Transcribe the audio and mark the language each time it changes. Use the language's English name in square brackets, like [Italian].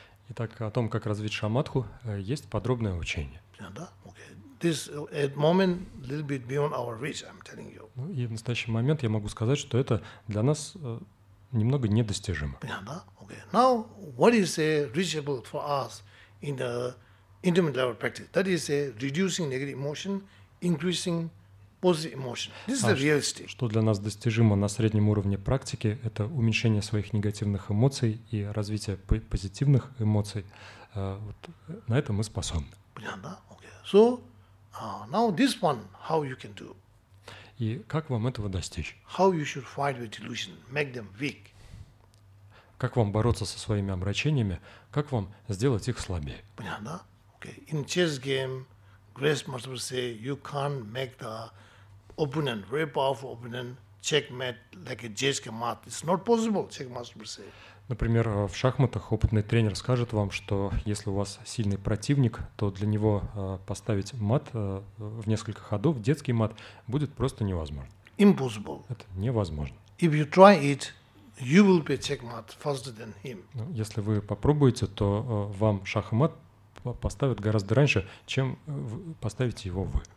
[Russian] Итак, о том, как развить шамадху, есть подробное учение. Да, [English] okay. This at moment little bit beyond our reach, I'm telling you. [Russian] Ну, и в настоящий момент я могу сказать, что это для нас немного недостижимо. Да, [English] okay. Now, what is reachable for us in the intermediate level practice? That is reducing negative emotion, increasing [Russian] Что для нас достижимо на среднем уровне практики, это уменьшение своих негативных эмоций и развитие позитивных эмоций. Вот на это мы способны. [English] So, now this one, how you can do? [Russian] И как вам этого достичь? [English] How you should fight with delusion, make them weak. [Russian] Как вам бороться со своими омрачениями? Как вам сделать их слабее? Понятно? [English] Okay. In chess game, grandmaster would say, you can't make the opponent, very powerful opponent, checkmate like a chess game. It's not possible, checkmaster would say. [Russian] Например, в шахматах опытный тренер скажет вам, что если у вас сильный противник, то для него поставить мат в несколько ходов, детский мат, будет просто невозможно. [English] Impossible. [Russian] Это невозможно. [English] If you try it, you will be checkmate faster than him. [Russian] Если вы попробуете, то вам шах и мат поставят гораздо раньше, чем поставите его вы.